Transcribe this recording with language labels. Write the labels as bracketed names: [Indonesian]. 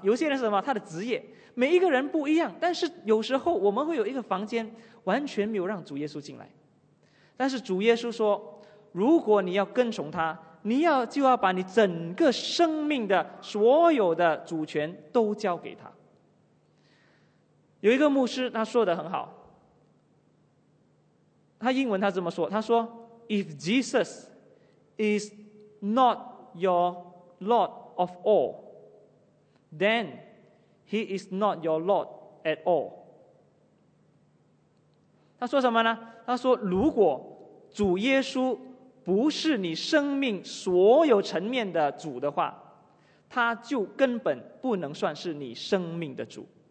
[Chinese] 有些人是什么，他的职业，每一个人不一样。但是有时候我们会有一个房间完全没有让主耶稣进来，但是主耶稣说，如果你要跟从他，你要就要把你整个生命的所有的主权都交给他。有一个牧师他说得很好，他英文他这么说，他说 [English] If Jesus is not your Lord of all, then he is not your Lord at all. [Chinese] 他说什么呢？他说如果主耶稣不是你生命所有层面的主的话，他就根本不能算是你生命的主。